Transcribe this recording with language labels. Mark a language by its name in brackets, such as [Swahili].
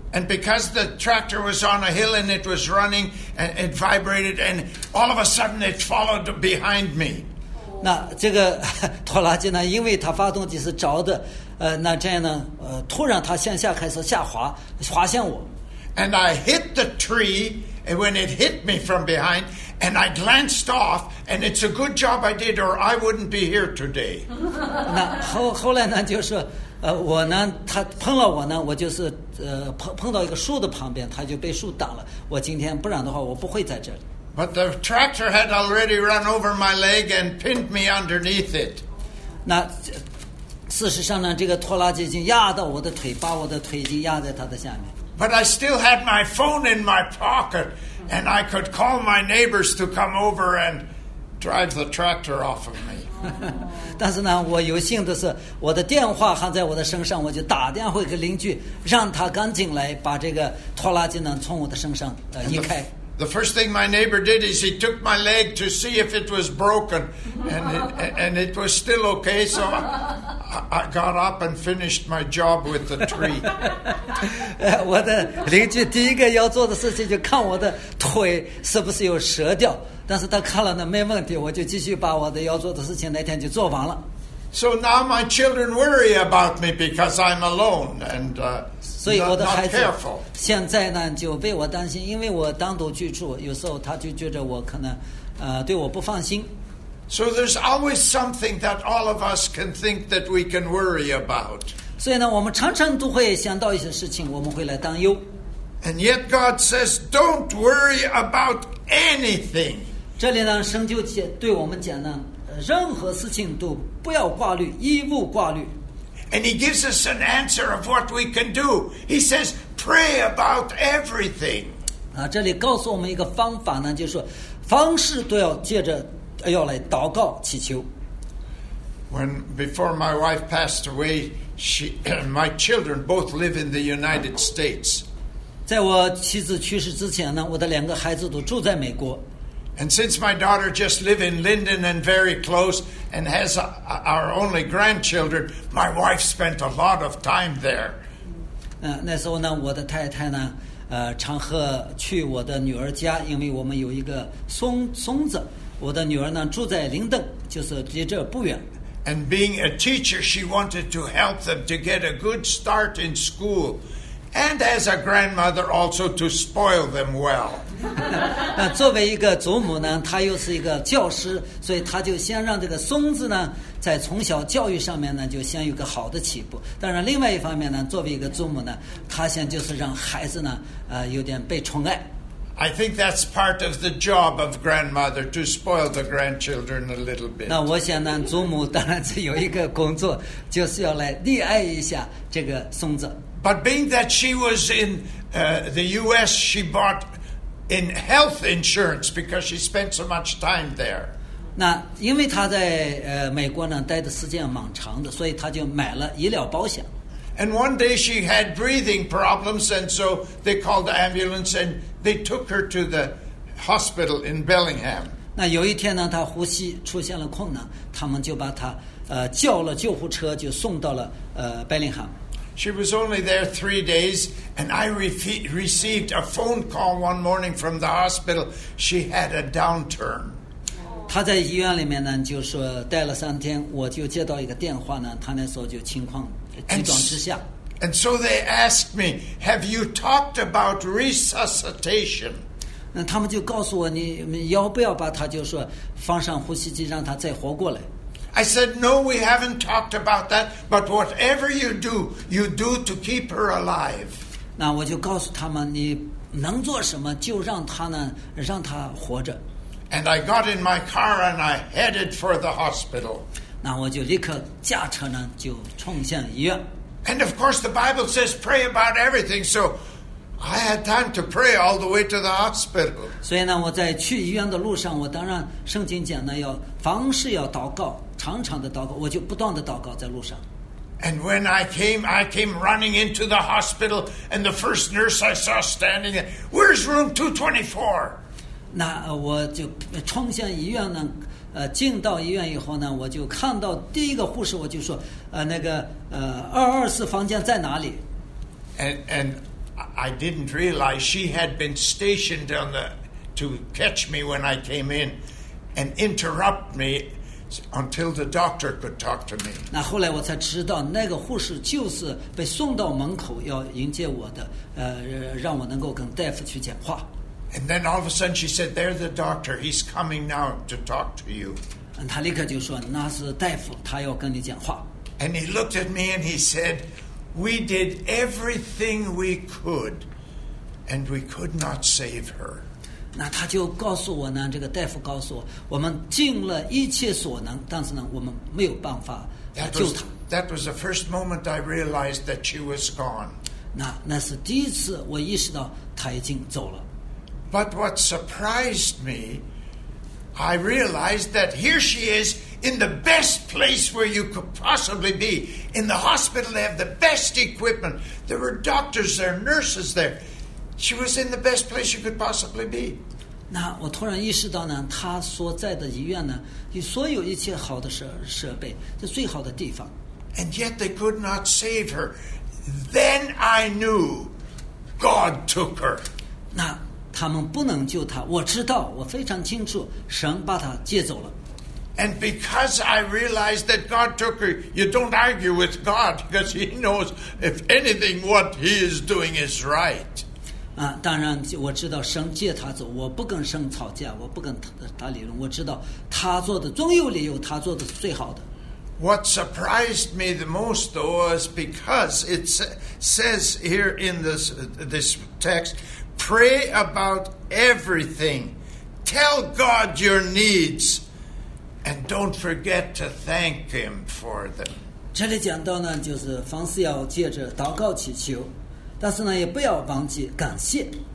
[English] And because the tractor was on a hill and it was running and it vibrated, and all of a sudden it followed behind me. [Chinese] 那这个拖拉机呢，因为它发动机是着的，那这样呢，突然它向下开始下滑，滑向我。 [English] And I hit the tree, and when it hit me from behind. And I glanced off, and it's a good job I did, or I wouldn't be here today. [Chinese] 那后来呢，就是我呢，他碰了我呢，我就是碰到一个树的旁边，他就被树挡了。我今天不然的话，我不会在这里。 [English] But the tractor had already run over my leg and pinned me underneath it. [Chinese] 那事实上呢，这个拖拉机已经压到我的腿，把我的腿已经压在他的下面。 [English] But I still had my phone in my pocket. And I could call my neighbors to come over and drive the tractor off of me. [Chinese] 但是呢，我有幸的是，我的电话还在我的身上，我就打电话给邻居，让他赶紧来把这个拖拉机呢从我的身上移开。 [English] The first thing my neighbor did is he took my leg to see if it was broken, and it was still okay. So I got up and finished my job with the tree. [Chinese] 我的邻居第一个要做的事情就看我的腿是不是有折掉，但是他看了呢没问题，我就继续把我的要做的事情那天就做完了。 [English] So now my children worry about me because I'm alone and not careful. [Chinese] 现在呢就为我担心，因为我单独居住，有时候他就觉得我可能对我不放心。 [English] So there's always something that all of us can think that we can worry about. [Chinese] 所以呢，我们常常都会想到一些事情，我们会来担忧。 [English] And yet God says, "Don't worry about anything." [Chinese] 这里呢，神就对我们讲呢。任何事情都不要挂虑，一无挂虑。 [English] And he gives us an answer of what we can do. He says, "Pray about everything." [Chinese] 啊，这里告诉我们一个方法呢，就是说，凡事都要借着要来祷告祈求。 [English] When before my wife passed away, she my children both live in the United States. [Chinese] 在我妻子去世之前呢，我的两个孩子都住在美国。 [English] And since my daughter just lives in Linden and very close and has our only grandchildren, my wife spent a lot of time there. [Chinese] 那时候呢，我的太太呢，常和去我的女儿家，因为我们有一个孙子，我的女儿呢住在林顿，就是离这不远。 [English] And being a teacher, she wanted to help them to get a good start in school. And as a grandmother, also to spoil them well. [Chinese] 那作为一个祖母呢，她又是一个教师，所以她就先让这个孙子呢，在从小教育上面呢，就先有个好的起步。当然，另外一方面呢，作为一个祖母呢，她先就是让孩子呢，有点被宠爱。 [English] I think that's part of the job of grandmother to spoil the grandchildren a little bit. [Chinese] 那我想呢，祖母当然是有一个工作，就是要来溺爱一下这个孙子。 [English] But being that she was in the U.S., she bought in health insurance because she spent so much time there. [Chinese] 那因为她在美国呢待的时间蛮长的，所以她就买了医疗保险。 [English] And one day she had breathing problems, and so they called the ambulance and they took her to the hospital in Bellingham. [Chinese] 那有一天呢，她呼吸出现了困难，他们就把她叫了救护车，就送到了Bellingham。 [English] She was only there 3 days, and I received a phone call one morning from the hospital. She had a downturn. [Chinese] 她在医院里面呢，就是待了三天，我就接到一个电话呢，她那时候就情况急转之下。 [English] And so they asked me, "Have you talked about resuscitation?" [Chinese] 那他们就告诉我，你要不要把她就说放上呼吸机，让她再活过来。 [English] I said, no, we haven't talked about that, but whatever you do to keep her alive. [Chinese] 那我就告诉他们，你能做什么就让她呢，让她活着。 [English] And I got in my car and I headed for the hospital. [Chinese] 那我就立刻驾车呢，就冲向医院。 [English] And of course the Bible says pray about everything, so I had time to pray all the way to the hospital. [Chinese] 所以呢，我在去医院的路上，我当然圣经讲呢，要凡事要祷告。长长的祷告，我就不断的祷告在路上。 [English] And when I came running into the hospital, and the first nurse I saw standing there, "Where's room 224?" [Chinese] 那我就冲向医院呢，进到医院以后呢，我就看到第一个护士，我就说，224房间在哪里 [English] ？And I didn't realize she had been stationed on the to catch me when I came in and interrupt me. Until the doctor could talk to me. [Chinese] 那后来我才知道，那个护士就是被送到门口要迎接我的，让我能够跟大夫去讲话。 [English] And then all of a sudden she said, "There's the doctor. He's coming now to talk to you." [Chinese] 他立刻就说，那是大夫，他要跟你讲话。 [English] And he looked at me and he said, "We did everything we could, and we could not save her." [Chinese] 那他就告诉我呢，这个大夫告诉我，我们尽了一切所能，但是呢，我们没有办法来救他。 [English] That was the first moment I realized that she was gone. [Chinese] 那是第一次我意识到他已经走了。 [English] But what surprised me, I realized that here she is in the best place where you could possibly be. In the hospital, they have the best equipment. There were doctors, there were nurses there. She was in the best place you could possibly be. [Chinese] 那我突然意识到呢，她所在的医院呢，有所有一切好的设备，是最好的地方。 [English] And yet they could not save her. Then I knew God took her. [Chinese] 那他们不能救她，我知道，我非常清楚，神把她接走了。 [English] And because I realized that God took her, you don't argue with God because He knows if anything what He is doing is right. [Chinese] 当然我知道神借他走，我不跟神吵架，我不跟他理论，我知道他做的总有理由，他做的是最好的。 [English] What surprised me the most though was because it says here in this text, pray about everything, tell God your needs, and don't forget to thank Him for them. [Chinese] 这里讲到呢，就是凡事要借着祷告祈求。但是呢，也不要忘记感谢。